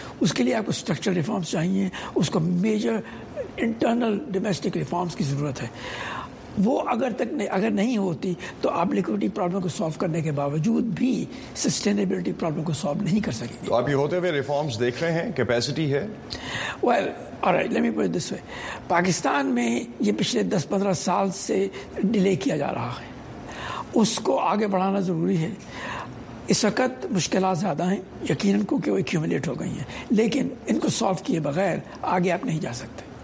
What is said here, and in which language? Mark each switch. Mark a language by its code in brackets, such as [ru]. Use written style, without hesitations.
[ur] اس کے لیے آپ کو اسٹرکچرل ریفارمس چاہیے, اس کو میجر انٹرنل ڈومیسٹک ریفارمس کی ضرورت ہے. وہ اگر نہیں ہوتی تو آپ لیکوڈیٹی پرابلم کو سالو کرنے کے باوجود بھی سسٹینیبلٹی پرابلم کو سالو نہیں کر سکیں گے. تو آپ یہ ہوتے ہوئے ریفارمس دیکھ رہے ہیں کیپیسٹی ہے؟ [en] Well Alright, let me put it this way. [ur] Pakistan میں یہ پچھلے 10-15 سال سے ڈیلے کیا جا رہا ہے, اس کو آگے بڑھانا ضروری ہے. اس وقت مشکلات زیادہ ہیں یقیناً کیونکہ وہ ایکیومولیٹ ہو گئی ہیں, لیکن ان کو سالو کیے بغیر آگے آپ نہیں جا سکتے.